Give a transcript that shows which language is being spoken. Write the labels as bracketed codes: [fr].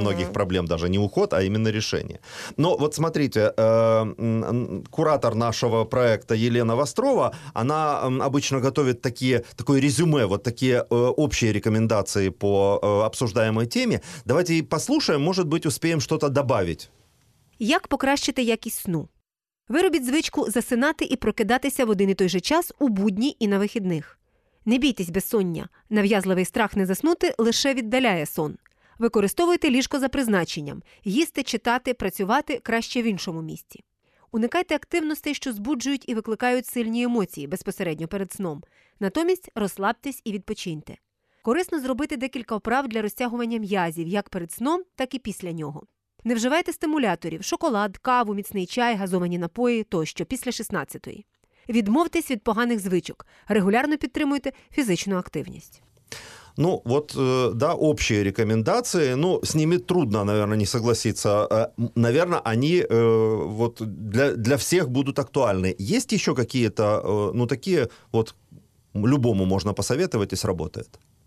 [ru] многих проблем даже, не уход, а именно решение. Но вот смотрите, куратор нашего проекта Елена Вострова, она обычно готовит такое резюме, вот такие общие рекомендации по обсуждаемой теме. Давайте послушаем, может быть, успеем что-то добавить. [uk] Як покращити якість сну? Виробіть звичку засинати і прокидатися в один і той же час у будні і на вихідних. Не бійтесь безсоння. Нав'язливий страх не заснути лише віддаляє сон. Використовуйте ліжко за призначенням. Їсти, читати, працювати краще в іншому місці. Уникайте активностей, що збуджують і викликають сильні емоції безпосередньо перед сном. Натомість розслабтесь і відпочиньте. Корисно зробити декілька вправ для розтягування м'язів, як перед сном, так і після нього. Не вживайте стимуляторів – шоколад, каву, міцний чай, газовані напої тощо – після 16-ї. Відмовтесь від поганих звичок. Регулярно підтримуйте фізичну активність. [ru] Ну, вот, да, общие рекомендации, ну, с ними трудно, наверное, не согласиться. Наверное, они вот для всех будут актуальны. Есть еще какие-то, ну, такие, вот, любому можно посоветовать и сработает?